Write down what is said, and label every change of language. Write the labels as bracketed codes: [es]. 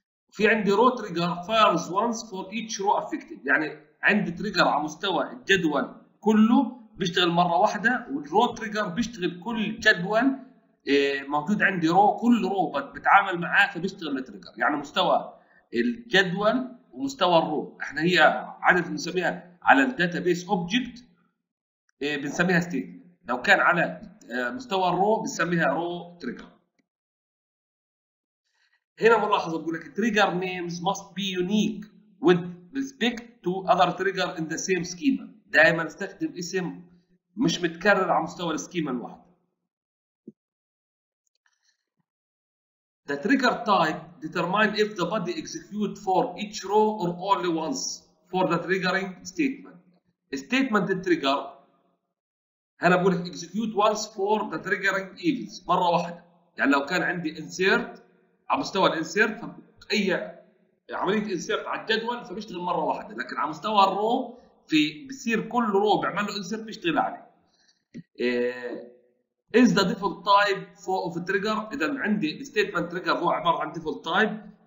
[ar] في عندي [en] row trigger fires once for each row affected, [ar] يعني عندي تريجر على مستوى الجدول كله بيشتغل مره واحده، والرو تريجر بيشتغل كل جدول موجود عندي رو، كل رو بتعامل معاه فبيشتغل التريجر، يعني مستوى الجدول ومستوى الرو. احنا هي عاده بنسميها على الداتا بيس اوبجكت بنسميها ستيت، لو كان على مستوى الرو بنسميها رو تريجر. هنا ملاحظه بقول لك [en] trigger names must be unique with respect to other trigger in the same schema. [ar] دائما استخدم اسم مش متكرر على مستوى السكيما الواحد. [en] The trigger type determine if the body execute for each row or only once for the triggering statement. Statement the trigger [ar] هنا بقول لك [en] execute once for the triggering events [ar] مره واحده. يعني لو كان عندي insert على مستوى الانسيرت، اي عمليه انسيرت على الجدول فبيشتغل مره واحده، لكن على مستوى الرو في بصير كل رو بيعمل له انسيرت بيشتغل عليه. [en] as the default type فوق of trigger, [ar] اذا عندي ستيتمنت تريجر هو عباره عن ديفولت تايب.